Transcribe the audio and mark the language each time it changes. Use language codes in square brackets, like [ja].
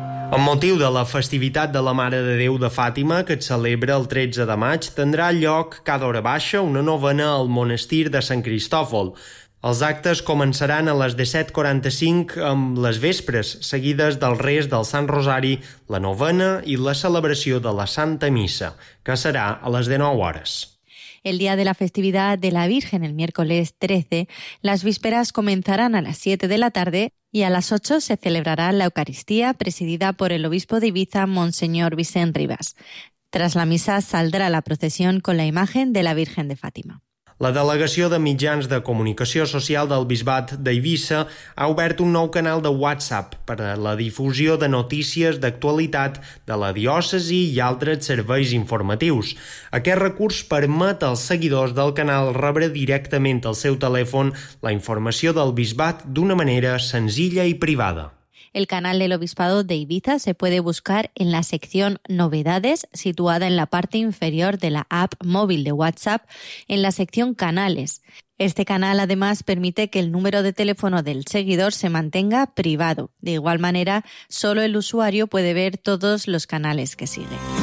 [ca] Amb motiu de la festivitat de la Mare de Déu de Fàtima, que es celebra el 13 de maig, tindrà lloc cada hora baixa una novena al monestir de Sant Cristòfol. Els actes començaran a les 17:45 amb les vespres, seguides del rés del Sant Rosari, la novena i la celebració de la Santa Missa, que serà a les 19 hores. [es] El día de la festividad de la Virgen, el miércoles 13, las vísperas comenzarán a las 7 de la tarde y a las 8 se celebrará la Eucaristía presidida por el obispo de Ibiza, Monseñor Vicent Rivas. Tras la misa saldrá la procesión con la imagen de la Virgen de Fátima. [ca] La delegació de mitjans de comunicació social del Bisbat d'Eivissa ha obert un nou canal de WhatsApp per a la difusió de notícies d'actualitat de la diòcesi i altres serveis informatius. Aquest recurs permet als seguidors del canal rebre directament al seu telèfon la informació del Bisbat d'una manera senzilla i privada. [es] El canal del Obispado de Ibiza se puede buscar en la sección Novedades, situada en la parte inferior de la app móvil de WhatsApp, en la sección Canales. Este canal además permite que el número de teléfono del seguidor se mantenga privado. De igual manera, solo el usuario puede ver todos los canales que sigue.